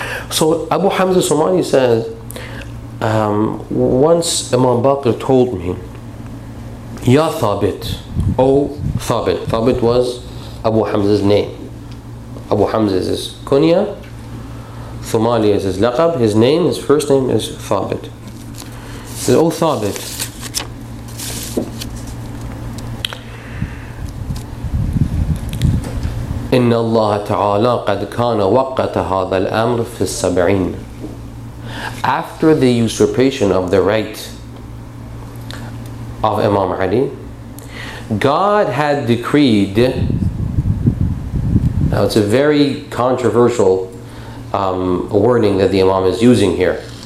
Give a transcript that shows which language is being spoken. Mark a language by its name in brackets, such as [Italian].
[English] So Abu Hamza Thumali says, once Imam Baqir told me, Ya Thabit, O Thabit. Thabit was Abu Hamza's name. Abu Hamza is his kunya. Thumali is his laqab. His name, his first name is Thabit. He says, O Thabit, [Arabic] إن الله تعالى قد كان وقت هذا الأمر في السبعين. [English] After the usurpation of the right of Imam Ali, God had decreed, now it's a very controversial wording that the Imam is using here.